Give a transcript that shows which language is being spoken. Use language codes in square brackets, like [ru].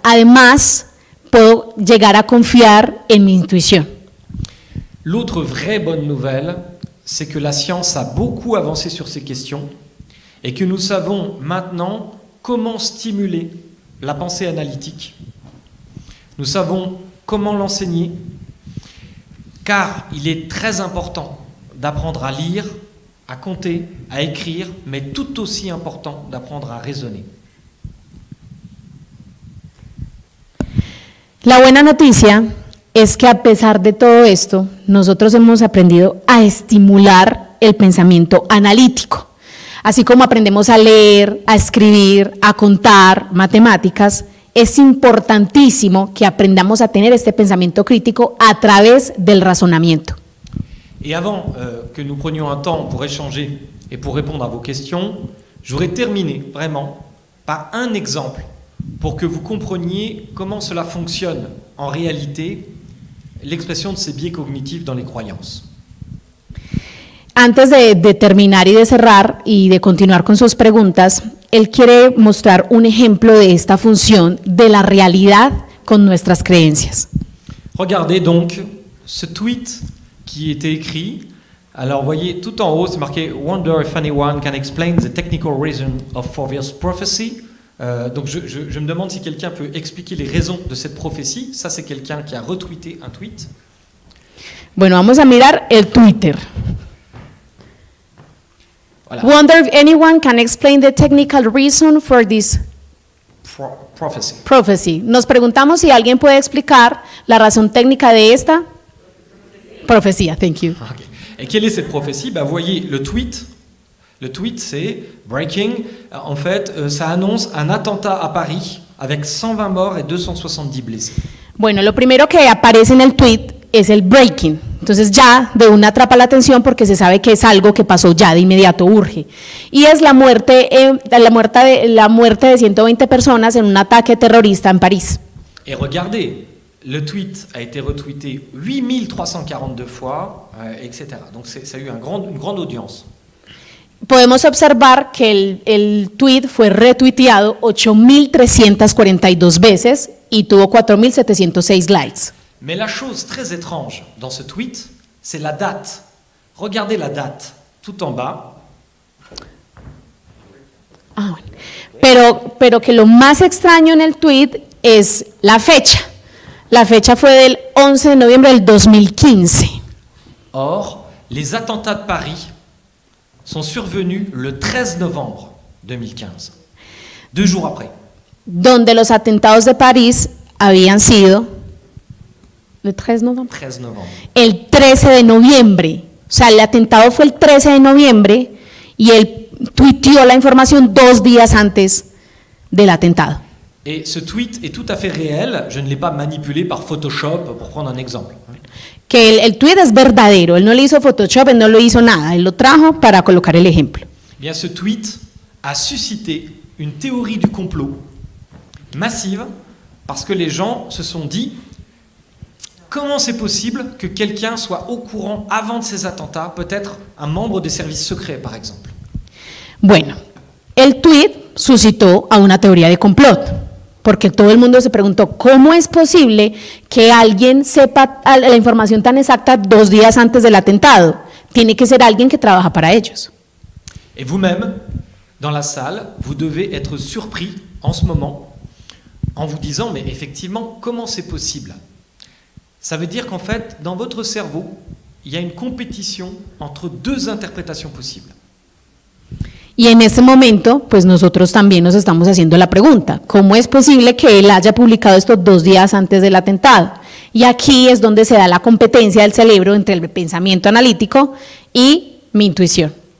[es] Además, puedo llegar a confiar en mi intuición. [fr] L'autre vraie bonne nouvelle, c'est que la science a beaucoup avancé sur ces questions et que nous savons maintenant comment stimuler la pensée analytique. Nous savons comment l'enseigner, car il est très important d'apprendre à lire, à compter, à écrire, mais tout aussi important d'apprendre à raisonner. [es] La buena noticia es que a pesar de todo esto, nosotros hemos aprendido a estimular el pensamiento analítico. Así como aprendemos a leer, a escribir, a contar matemáticas, es importantísimo que aprendamos a tener este pensamiento crítico a través del razonamiento. [fr] Et avant que nous prenions un temps pour échanger et pour répondre à vos questions, j'aurais terminé vraiment par un exemple pour que vous compreniez comment cela fonctionne en réalité. L'expression de ces biais cognitifs dans les croyances. [es] Antes de terminar y de cerrar y de continuar con sus preguntas, él quiere mostrar un ejemplo de esta función de la realidad con nuestras creencias. [fr] Regardez donc ce tweet qui était écrit. Alors voyez, tout en haut, c'est marqué « [en] Wonder if anyone can explain the technical reason of Fourier's prophecy ». [fr] Donc je me demande si quelqu'un peut expliquer les raisons de cette prophétie. Ça, c'est quelqu'un qui a retweeté un tweet. [es] Bueno, vamos a mirar el Twitter. [fr] Voilà. [en] Wonder if anyone can explain the technical reason for this prophecy. Prophecy. [es] Nos preguntamos si alguien puede explicar la razón técnica de esta profecía. [en] Thank you. [fr] Okay. Et quelle est cette prophétie? Bah, voyez le tweet. Le tweet, c'est breaking. En fait, ça annonce un attentat à Paris avec 120 morts et 270 blessés. [es] Bueno, lo primero que aparece en el tweet es el breaking. Entonces ya de una atrapa la atención porque se sabe que es algo que pasó ya de inmediato, urge. Y es la muerte de 120 personas en un ataque terrorista en París. [fr] Et regardez, le tweet a été retweeté 8342 fois, etc. Donc ça a eu une grande audience. [es] Podemos observar que el tweet fue retuiteado 8342 veces y tuvo 4706 likes. [fr] Mais la chose très étrange dans ce tweet, c'est la date. Regardez la date tout en bas. [es] Ah, bueno. Pero que lo más extraño en el tweet es la fecha. La fecha fue del 11 de noviembre del 2015. [fr] Or, les attentats de Paris sont survenus le 13 novembre 2015, deux jours après. [es] Donde los atentados de París habían sido [fr] le 13 novembre. 13 novembre. [es] El 13 de noviembre. O sea, el atentado fue el 13 de noviembre y él tuiteó la información dos días antes del atentado. [fr] Et ce tweet est tout à fait réel, je ne l'ai pas manipulé par Photoshop, pour prendre un exemple. [es] que el tweet es verdadero, él no le hizo Photoshop, él no lo hizo nada, él lo trajo para colocar el ejemplo. [fr] Bien, ce tweet a suscité une théorie du complot massive parce que les gens se sont dit comment c'est possible que quelqu'un soit au courant avant de ces attentats, peut-être un membre des services secrets par exemple. [es] Bueno, el tweet suscitó a una teoría de complot. Porque todo el mundo se preguntó, ¿cómo es posible que alguien sepa la información tan exacta dos días antes del atentado? Tiene que ser alguien que trabaja para ellos. [fr] Y vous-même, dans la salle, vous devez être surpris en ce moment, en vous disant, mais effectivement, comment c'est possible? Ça veut dire qu'en fait, dans votre cerveau, il y a une compétition entre deux interprétations possibles. [es] Y en ese momento, pues nosotros también nos estamos haciendo la pregunta, ¿cómo es posible que él haya publicado esto dos días antes del atentado? Y aquí es donde se da la competencia del cerebro entre el pensamiento analítico y mi intuición.